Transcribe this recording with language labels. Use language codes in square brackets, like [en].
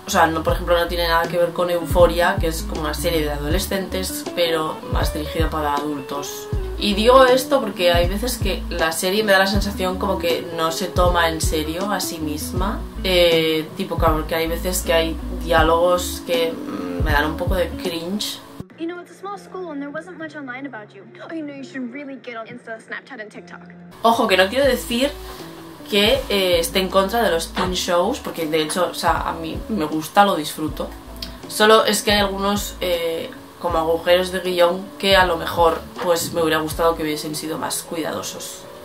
[es] O sea, no, por ejemplo, no tiene nada que ver con Euphoria, que es como una serie de adolescentes, pero más dirigida para adultos. Y digo esto porque hay veces que la serie me da la sensación como que no se toma en serio a sí misma. Tipo, claro, que hay veces que hay diálogos que me dan un poco de cringe. [en] You know, it's a small school and there wasn't much online about you. I know you should really get on Insta, Snapchat and TikTok. [es] Ojo, que no quiero decir que esté en contra de los teen shows, porque de hecho, o sea, a mí me gusta, lo disfruto. Solo es que hay algunos como agujeros de guión que a lo mejor pues me hubiera gustado que hubiesen sido más cuidadosos.